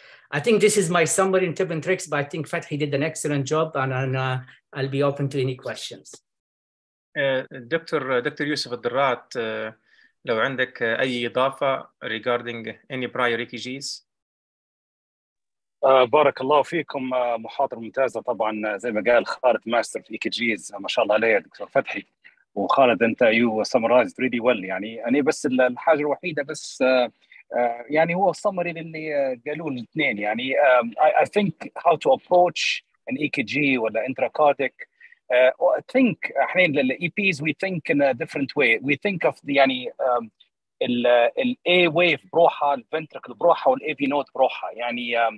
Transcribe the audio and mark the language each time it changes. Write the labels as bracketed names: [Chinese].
[English] I think this is my summary and tip and tricks, but I think Fathi did an excellent job, and I'll be open to any questions. Dr. Yusuf Adrat, [Arabic] لو عندك أي إضافة [English] regarding any prior EKGs. [Arabic] بارك الله فيكم, محاضرة ممتازة طبعا, زي ما قال خالد ماستر في EKGs ما شاء الله عليه دكتور فتحي, وخالد أنت [English] you summarized really well. [Arabic] يعني أنا بس الحاجة الوحيدة بس يعني هو summary للي قالوا الاثنين يعني [English] I think how to approach an EKG [Arabic] ولا intracardiac I think إحنا لل EPs [English] we think in a different way we think of the [Arabic] يعني ال A wave بروحة الventricle بروحة وال AV node بروحة يعني